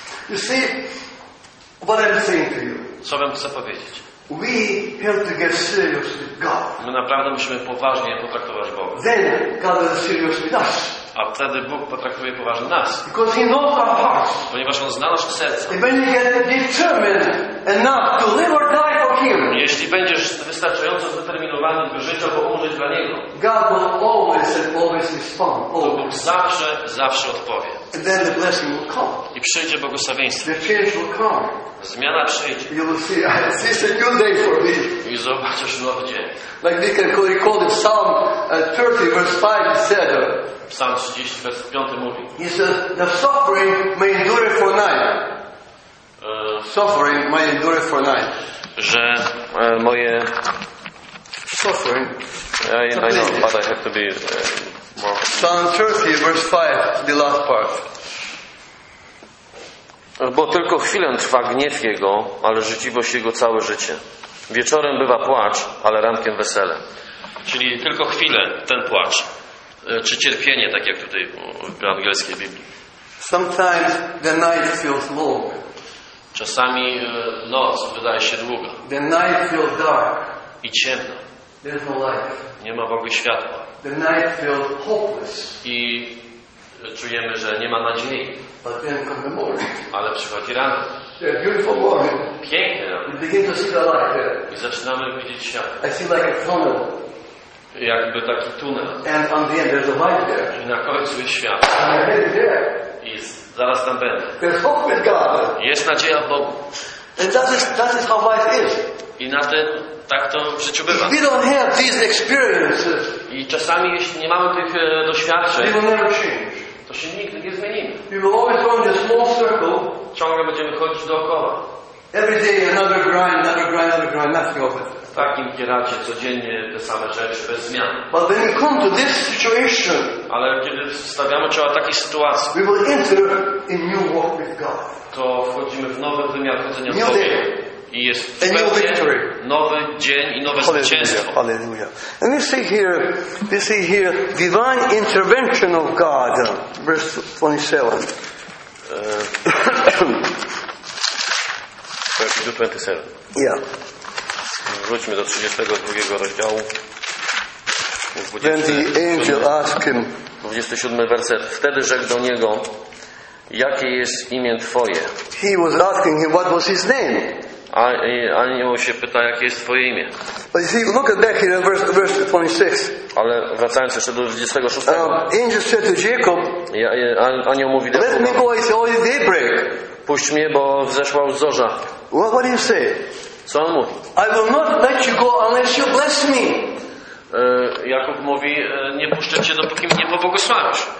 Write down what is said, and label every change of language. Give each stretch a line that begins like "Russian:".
English: You see, what I'm saying to you.
Polish: Co wam chcę powiedzieć?
English: We have to get serious with God.
Polish: My naprawdę musimy poważnie potraktować Boga.
English: Then God is serious with us.
Polish: A wtedy Bóg potraktuje poważnie nas.
English: Because He knows our hearts.
Polish: Ponieważ On zna nasze serca.
English: And when you get determined enough to live or die for Him.
Polish: Jeśli będziesz wystarczająco zdeterminowany, by żyć albo umrzeć dla Niego.
English: God will always and always respond.
Polish: To Bóg zawsze odpowie.
English: And then the blessing will come.
Polish: I przyjdzie błogosławieństwo.
English: The change will come.
Polish: Zmiana przyjdzie.
English: You will see, this is a new day for me.
Polish: I zobaczysz nowy dzień.
English: Like we can recall in Psalm 30, verse 5, it said. Psalm 30, verse 5
Polish: mówi.
English: He says, the suffering may endure for night. Suffering may endure for night.
Polish: Że moje
English: suffering. I know, but I have to be more. Psalm 30, verse 5, the last part.
Polish: Bo tylko chwilę trwa gniew Jego, ale życzliwość Jego całe życie. Wieczorem bywa płacz, ale rankiem wesele. Czyli tylko chwilę ten płacz, czy cierpienie, tak jak tutaj w angielskiej Biblii.
English: Sometimes the night feels long.
Polish: Czasami noc wydaje się długa.
English: The night feels dark.
Polish: I ciemna.
English: There's no light.
Polish: Nie ma w ogóle światła.
English: The night feels hopeless.
Polish: I czujemy, że nie ma nadziei.
English: But then from the morning.
Polish: Ale przychodzi rano.
English: Yeah, beautiful morning.
Polish: Piękne.
English: We begin to see the light. Yeah.
Polish: I zaczynamy widzieć światło.
English: I see like a tunnel.
Polish: Jakby taki tunel.
English: And on the end there's a light there.
Polish: I na końcu jest światło.
English: And I'm headed there.
Polish: I zaraz tam będę.
English: There's hope with God.
Polish: Jest nadzieja w Bogu.
English: And that is how life is.
Polish: I na ten tak to w życiu bywa.
English: We don't have these experiences.
Polish: I czasami jeśli nie mamy tych doświadczeń.
English: We will never change.
Polish: To się nigdy nie zmienimy.
English: We will always run this small circle.
Polish: Ciągle będziemy chodzić dookoła.
English: Every day another grind, another grind, another grind, nothing of it.
Polish: W takim kieracie codziennie te same rzeczy bez zmian.
English: But when we come to this situation,
Polish: ale kiedy stawiamy czoła takiej sytuacji, we will enter a new walk with God. To wchodzimy w nowy wymiar chodzenia z Bogiem. I jest
English: a new victory.
Polish: Nowy dzień i nowe zwycięstwo.
English: Alleluja. And we see here divine intervention of God, verse 27. Verse 27. Yeah.
Polish: Wróćmy do 32 rozdziału.
English: Then the angel asked him.
Polish: 27 werset. Wtedy rzekł do niego: jakie jest imię twoje?
English: He was asking him what was his name.
Polish: A anioł się pyta, jakie jest twoje imię.
English: But you see, look at back here in verse 26.
Polish: Ale wracając jeszcze do 26.
English: Angel said to Jacob.
Polish: Anioł mówi do
English: Jakuba. Let me go, it's
Polish: puść mnie, bo wzeszła już zorza.
English: What do you say?
Polish: Co on mówi?
English: I will not let you go unless you bless me.
Polish: Jakub mówi, nie puszczę cię, dopóki mnie pobłogosławisz.